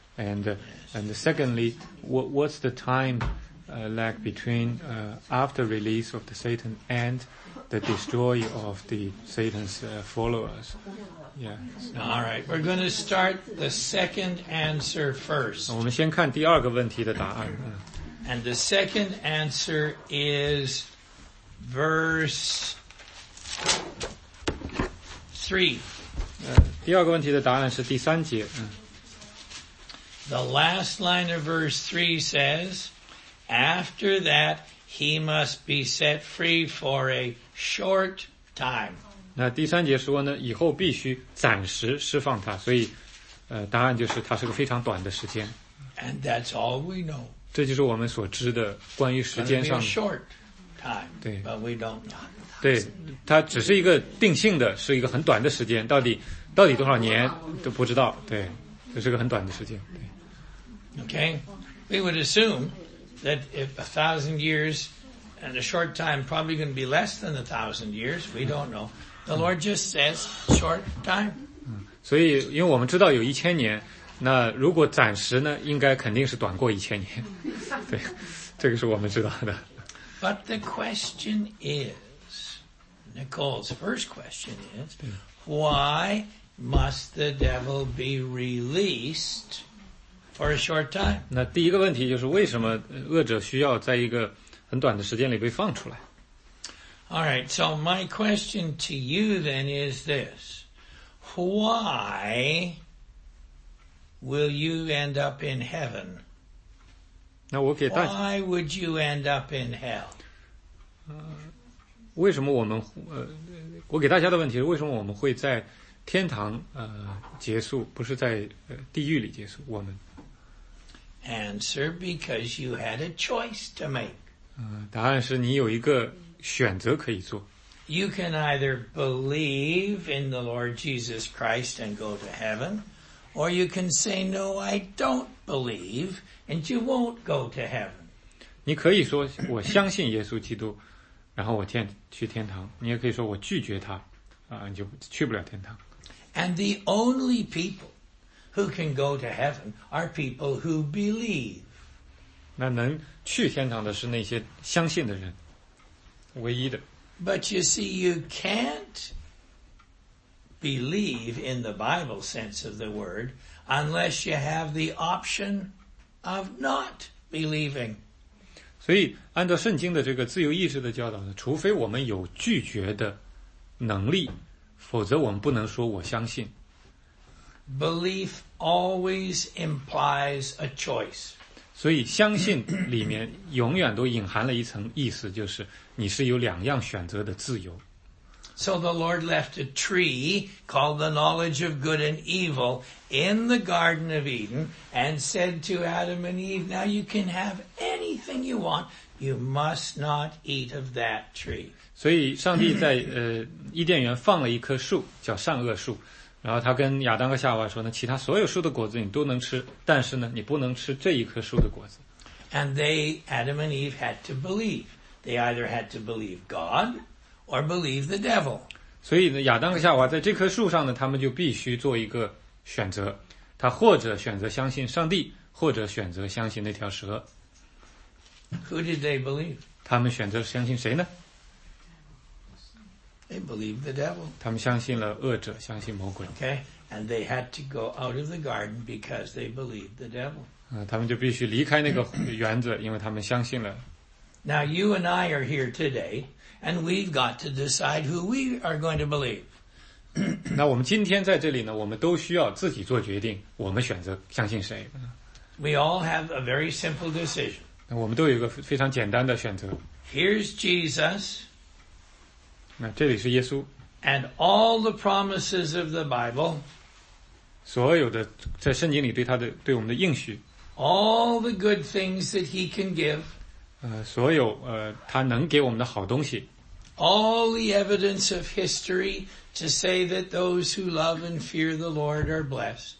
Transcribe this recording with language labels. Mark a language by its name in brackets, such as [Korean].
[English] And secondly, what's the time lag between after release of the Satan and the destroy of the Satan's followers? Yeah. So. All right. We're going to start the second answer first. [Chinese] 我们先看第二个问题的答案。 [English] And the second answer is verse 3. [Chinese] 第二个问题的答案是第三节。 [English] The last line of verse 3 says, after that, he must be set free for a short time. [Chinese] 那第三节说呢，以后必须暂时释放他，所以答案就是他是个非常短的时间。 [English] And that's all we know. [Chinese] 这就是我们所知的关于时间上的。 [English] It's going to be a short time, [Chinese] 对 [English] but we don't know. [Chinese] 对，它只是一个定性的，是一个很短的时间，到底多少年都不知道，对，这是个很短的时间，对。 [English] Okay, we would assume that if 1,000 years and a short time probably going to be less than 1,000 years, we don't know. The Lord just says short time. [Chinese] 所以因为我们知道有一千年，那如果暂时呢，应该肯定是短过一千年，对，这个是我们知道的。 [English] But the question is, Nicole's first question is, why must the devil be released for a short time? [Chinese] 那第一个问题就是为什么恶者需要在一个很短的时间里被放出来？ [English] All right, so my question to you then is this. Why will you end up in heaven? [Chinese] 那我给大 [English] 家。Why would you end up in hell? [Chinese] 为什么我们我给大家的问题是为什么我们会在天堂结束，不是在地狱里结束？我们 [English] answer because you had a choice to make. [Chinese] 答案是你有一个选择可以做。 [English] You can either believe in the Lord Jesus Christ and go to heaven, or you can say no, I don't believe, and you won't go to heaven. [Chinese] 你可以说我相信耶稣基督。然后我去天堂，你也可以说我拒绝他，你就去不了天堂。 [English] And the only people who can go to heaven are people who believe. [Chinese] 那能去天堂的是那些相信的人，唯一的。 [English] But you see, you can't believe in the Bible sense of the word unless you have the option of not believing. [Chinese] 所以按照圣经的这个自由意志的教导呢，除非我们有拒绝的能力，否则我们不能说我相信。 [English] Belief always implies a choice. [Chinese] 所以相信里面永远都隐含了一层意思，就是你是有两样选择的自由。 [English] So the Lord left a tree called the knowledge of good and evil in the Garden of Eden and said to Adam and Eve, now you can have anything you want. You must not eat of that tree. [Chinese] 所以上帝在伊甸园放了一棵树叫善恶树，然后他跟亚当和夏娃说呢，其他所有树的果子你都能吃，但是呢你不能吃这一棵树的果子。 [English] And they, Adam and Eve, had to believe. They either had to believe God or believe the devil. [Chinese] 所以呢亚当和夏娃在这棵树上呢他们就必须做一个选择，他或者选择相信上帝，或者选择相信那条蛇。 [English] Who did they believe? [Chinese] 他们选择相信谁呢？ [English] They believed the devil. [Chinese] 他们相信了恶者，相信魔鬼。 [English] Okay, and they had to go out of the garden because they believed the devil. [Chinese] 他们就必须离开那个园子，因为他们相信了。 [English] Now you and I are here today, and we've got to decide who we are going to believe. [Chinese] 那我们今天在这里呢，我们都需要自己做决定，我们选择相信谁。 [English] We all have a very simple decision. [Chinese] 那我们都有一个非常简单的选择。 [English] Here's Jesus. [Chinese] 那这里是耶稣。 [English] And all the promises of the Bible. [Chinese] 所有的在圣经里对他的对我们的应许。 [English] All the good things that he can give. [Chinese] 所有他能给我们的好东西。 [English] All the evidence of history to say that those who love and fear the Lord are blessed.